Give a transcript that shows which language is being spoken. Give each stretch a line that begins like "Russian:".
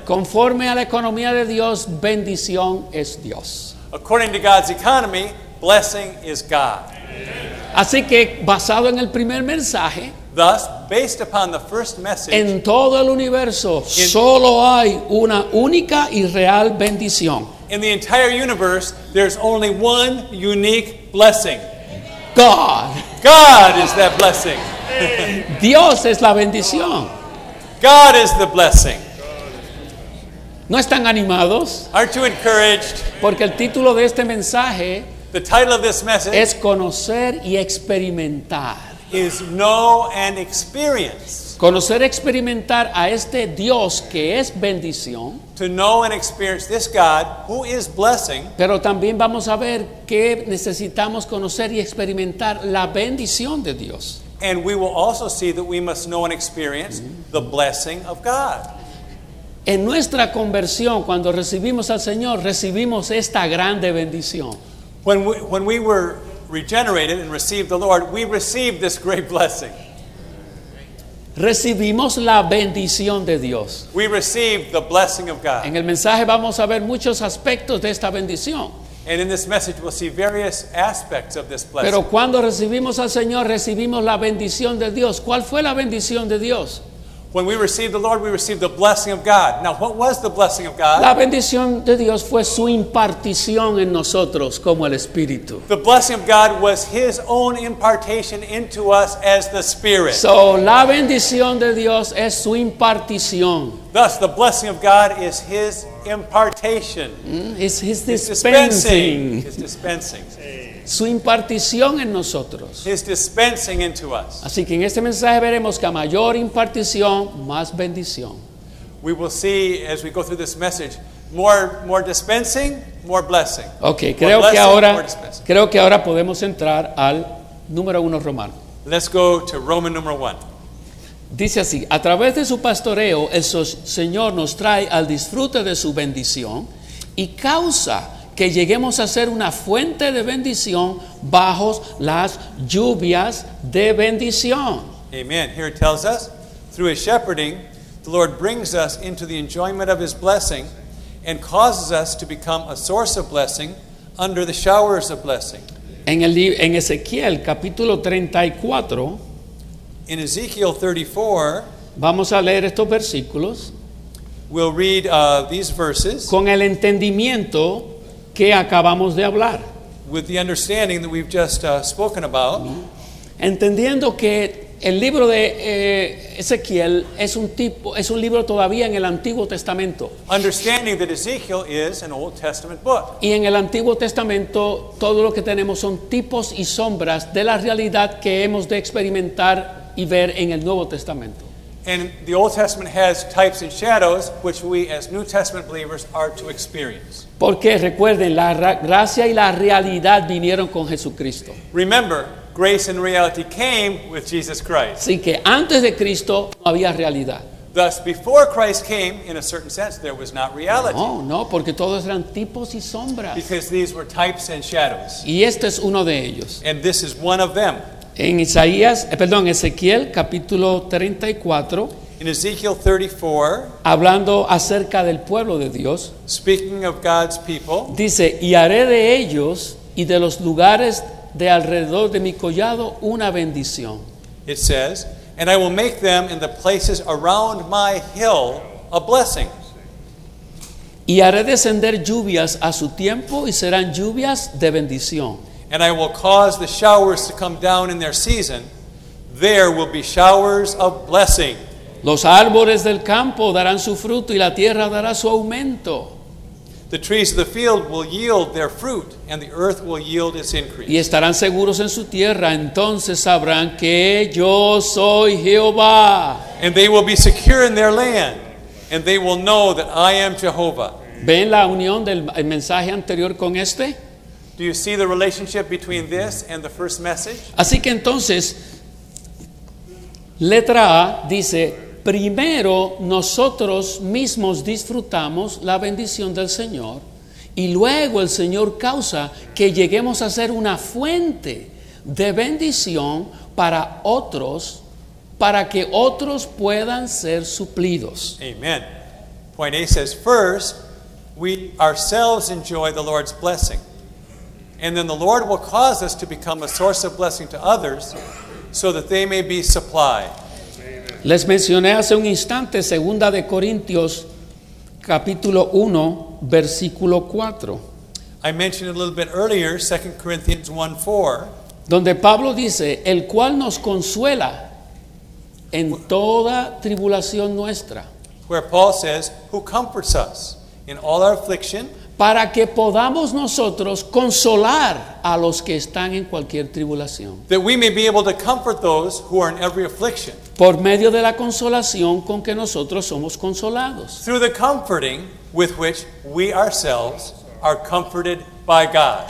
Spanish: Conforme a la economía de Dios, bendición es Dios.
English: According to God's economy, blessing is God.
Spanish: Así que, basado en el primer mensaje,
English: thus, based upon the first message,
Spanish: en todo el universo, solo hay una única y real bendición.
English: In the entire universe, there's only one unique blessing. God. God is that blessing.
Spanish: Dios es la bendición.
English: God is the blessing.
Spanish: ¿No están animados?
English: Aren't you encouraged?
Spanish: Porque el título de este mensaje,
English: the title of this message,
Spanish: es conocer y experimentar.
English: Is know and experience.
Spanish: Conocer, experimentar a este Dios que es bendición.
English: To know and experience this God who is blessing.
Spanish: Pero también vamos a ver que necesitamos conocer y experimentar la bendición de Dios.
English: And we will also see that we must know and experience the blessing of God.
Spanish: En nuestra conversión, cuando recibimos al Señor, recibimos esta grande bendición.
English: When we were regenerated and received the Lord, we received this great blessing.
Spanish: Recibimos la bendición de Dios.
English: We receive the blessing of God.
Spanish: En el mensaje vamos a ver muchos aspectos de esta bendición.
English: And in this message we'll see various aspects of this blessing.
Spanish: Pero cuando recibimos al Señor, recibimos la bendición de Dios. ¿Cuál fue la bendición de Dios?
English: When we receive the Lord, we receive the blessing of God. Now, what was the blessing of God?
Spanish: La bendición de Dios fue su impartición en nosotros como el Espíritu.
English: The blessing of God was His own impartation into us as the Spirit.
Spanish: So, la bendición de Dios es su impartición.
English: Thus, the blessing of God is His impartation. It's dispensing. His dispensing.
Spanish: Su impartición en nosotros.
English: His dispensing into us.
Spanish: Así que en este mensaje veremos que a mayor impartición, más bendición.
English: We will see as we go through this message, more dispensing, more blessing.
Spanish: Okay, creo que ahora podemos entrar al número uno romano.
English: Let's go to Roman number one.
Spanish: Dice así, a través de su pastoreo, el Señor nos trae al disfrute de su bendición y causa que lleguemos a ser una fuente de bendición bajo las lluvias de bendición.
English: Amen. Here it tells us, through His shepherding, the Lord brings us into the enjoyment of His blessing and causes us to become a source of blessing under the showers of blessing.
Spanish: En Ezequiel capítulo 34,
English: in Ezekiel 34,
Spanish: vamos a leer estos versículos.
English: We'll read these verses.
Spanish: Con el entendimiento que acabamos de hablar.
English: with the understanding that we've just spoken about.
Spanish: Entendiendo que el libro de Ezequiel es un tipo, es un libro todavía en el Antiguo Testamento.
English: Understanding that Ezekiel is an Old Testament book.
Spanish: Y en el Antiguo Testamento todo lo que tenemos son tipos y sombras de la realidad que hemos de experimentar y ver en el Nuevo Testamento.
English: And the Old Testament has types and shadows which we as New Testament believers are to experience.
Spanish: Porque recuerden, la gracia y la realidad vinieron con Jesucristo.
English: Remember, grace and reality came with Jesus Christ.
Spanish: Así que antes de Cristo no había realidad.
English: Thus, before Christ came, in a certain sense, there was not reality.
Spanish: No, no, porque todos eran tipos y sombras.
English: Because these were types and shadows.
Spanish: Y este es uno de ellos.
English: And this is one of them.
Spanish: En Isaías, perdón, Ezequiel, capítulo 34.
English: In Ezekiel 34.
Spanish: Hablando acerca del pueblo de Dios.
English: Speaking of God's people.
Spanish: Dice, y haré de ellos y de los lugares de alrededor de mi collado una bendición.
English: It says, and I will make them in the places around my hill a blessing.
Spanish: Y haré descender lluvias a su tiempo y serán lluvias de bendición.
English: And I will cause the showers to come down in their season. There will be showers of blessing.
Spanish: Los árboles del campo darán su fruto y la tierra dará su aumento.
English: The trees of the field will yield their fruit, and the earth will yield its increase.
Spanish: Y estarán seguros en su tierra, entonces sabrán que yo soy Jehová.
English: And they will be secure in their land, and they will know that I am Jehovah.
Spanish: ¿Ven la unión del mensaje anterior con este?
English: Do you see the relationship between this and the first message?
Spanish: Así que entonces, letra A dice, primero nosotros mismos disfrutamos la bendición del Señor y luego el Señor causa que lleguemos a ser una fuente de bendición para otros, para que otros puedan ser suplidos.
English: Amen. Point A says, first, we ourselves enjoy the Lord's blessing. And then the Lord will cause us to become a source of blessing to others so that they may be supplied.
Spanish: Les mencioné hace un instante Segunda de Corintios capítulo 1 versículo 4.
English: I mentioned a little bit earlier 2 Corinthians 1:4,
Spanish: donde Pablo dice, el cual nos consuela en toda tribulación nuestra.
English: Where Paul says, who comforts us in all our affliction,
Spanish: para que podamos nosotros consolar a los que están en cualquier tribulación.
English: That we may be able to comfort those who are in every affliction.
Spanish: Por medio de la consolación con que nosotros somos consolados.
English: Through the comforting with which we ourselves are comforted by God.